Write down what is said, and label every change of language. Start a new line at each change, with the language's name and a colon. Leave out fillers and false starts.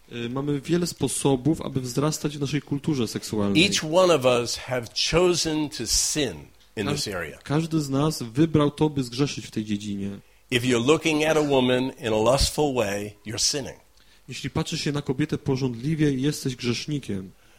Polish: Mamy wiele sposobów, aby wzrastać w naszej kulturze seksualnej.
English: Each one of us have chosen to sin in this area.
Polish: Każdy z nas wybrał to, by zgrzeszyć w tej dziedzinie.
English: If you're looking at a woman in a lustful way, you're sinning.
Polish: Jeśli patrzysz się na kobietę pożądliwie, jesteś grzesznikiem.